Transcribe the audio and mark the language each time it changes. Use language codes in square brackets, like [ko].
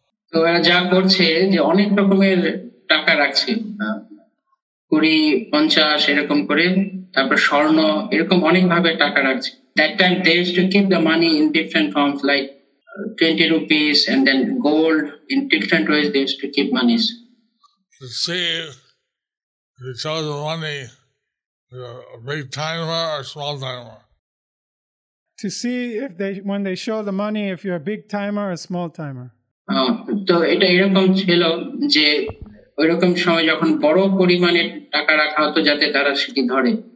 [bn] তো এরা যা করছে যে অনেক রকমের টাকা রাখছে। কুড়ি পঞ্চাশ এরকম করে তারপর স্বর্ণ এরকম অনেক ভাবে টাকা রাখছে. [en] That time they used to keep the money in different forms like 20 rupees and then gold in different ways they used to keep monies. To see if you chose the money, a big timer or a small timer? To see if they, when they show the money, if you're a big timer or a small timer. [bn] তো এটা এরকম ছিল যে ওইরকম সময় যখন বড় পরিমাণের টাকা রাখা হতো যাতে তারা সেটি ধরে,